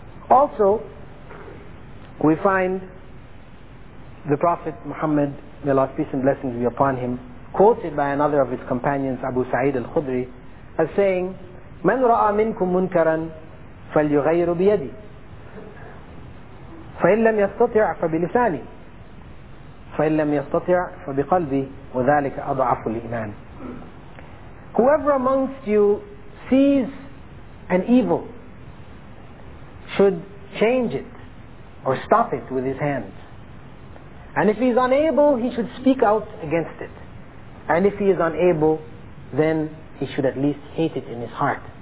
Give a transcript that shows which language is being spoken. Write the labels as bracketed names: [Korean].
[English] Also, we find the Prophet Muhammad, may Allah's peace and blessings be upon him, quoted by another of his companions, Abu Sa'id al-Khudri, as saying, [Arabic] "Man ra'a minkum munkaran falyughayyiru biyadi. فإن لم يستطع فبلسانه فإن لم يستطع فبقلبي وذلك أضعف الإيمان." [English] Whoever amongst you sees an evil should change it or stop it with his hands. And if he is unable, he should speak out against it. And if he is unable, then he should at least hate it in his heart.